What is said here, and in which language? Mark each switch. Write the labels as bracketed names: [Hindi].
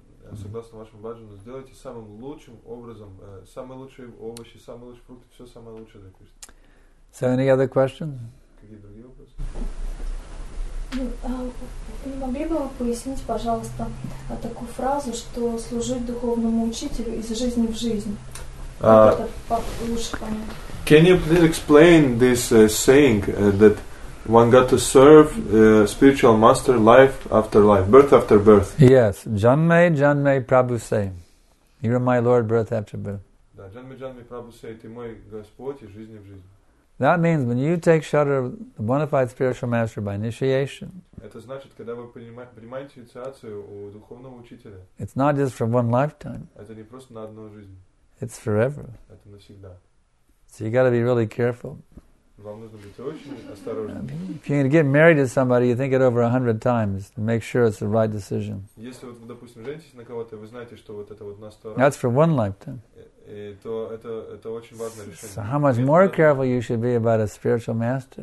[Russian] Согласно вашему баджану, сделайте самым лучшим образом, самые лучшие овощи, самые лучшие фрукты, все самое лучшее для Кришны. [English] So, any other question? [Russian] Какие другие вопросы? Не могли бы вы пояснить, пожалуйста, такую фразу, что служить духовному учителю из жизни в жизнь? Это лучше понять. [English] Can you please explain this saying that one got to serve spiritual master life after life, birth after birth. Yes, [Bangla] janme janme prabhu se. [English] You are my lord birth after birth. [Russian] Да, [Bangla] janme janme prabhu se, [Russian] ты мой господь из жизни в жизнь. [English] That means when you take shelter of the bona fide spiritual master by initiation. [Russian] Это значит, когда вы принимаете инициацию у духовного учителя. [English] It's not just for one lifetime. [Russian] Это не просто на одну жизнь. [English] It's forever. [Russian] Это навсегда. [English] So you got to be really careful. If you're going to get married to somebody, you think it over 100 times to make sure it's the right decision. That's for one lifetime. So how much more careful you should be about a spiritual master?